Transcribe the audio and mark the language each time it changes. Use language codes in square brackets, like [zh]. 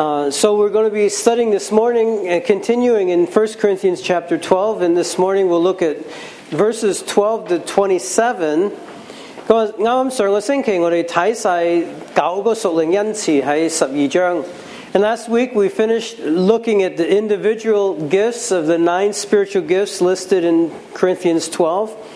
[en] So we're going to be studying this morning, continuing in 1 Corinthians chapter 12, and this morning we'll look at verses 12 to 27. [zh] 刚刚上个星期我们看完九个属灵恩赐在十二章。 [en] And last week we finished looking at the individual gifts of the nine spiritual gifts listed in Corinthians 12.